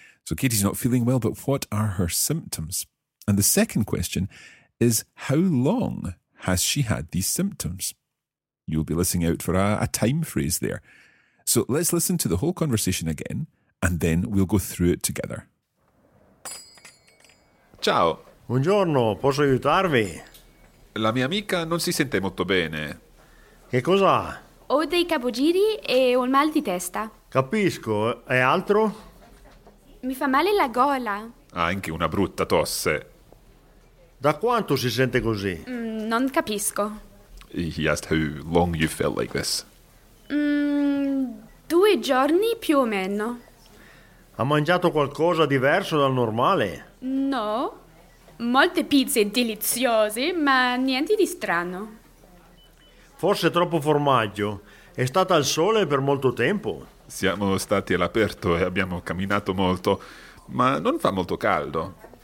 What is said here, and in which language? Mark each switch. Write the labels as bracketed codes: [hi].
[en] So Katie's not feeling well, but what are her symptoms? And the second question is, how long has she had these symptoms? You'll be listening out for a time phrase there. So let's listen to the whole conversation again and then we'll go through it together. [it] Ciao. Buongiorno, posso aiutarvi? La mia amica non si sente molto bene. Che cosa ha? Ho dei capogiri e ho un mal di testa. Capisco, e altro? Mi fa male la gola. Ha anche una brutta tosse. Da quanto si sente così? Non capisco. [en] He asked how long you felt like this. [it] Due giorni più o meno. Ha mangiato qualcosa diverso dal normale? No. Molte pizze deliziose, ma niente di strano. Forse troppo formaggio. È stata al sole per molto tempo. Siamo stati all'aperto e abbiamo camminato molto, ma non fa molto caldo.